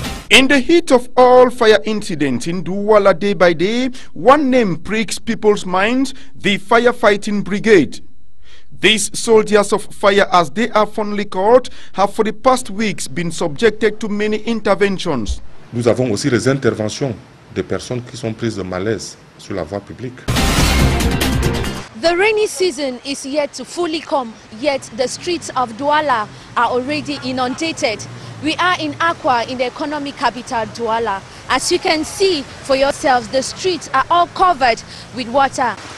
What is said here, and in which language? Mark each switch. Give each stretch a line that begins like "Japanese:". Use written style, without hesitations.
English: In the heat of all fire incidents in Douala day by day, one name pricks people's minds: the firefighting brigade. These soldiers of fire, as they are fondly called, have for the past weeks been subjected to many interventions.
French: Nous avons aussi les interventions des personnes qui sont prises de malaise sur la voie publique.
English: The rainy season is yet to fully come, yet the streets of Douala are already inundated. We are in Akwa, in the economic capital Douala. As you can see for yourselves, the streets are all covered with water.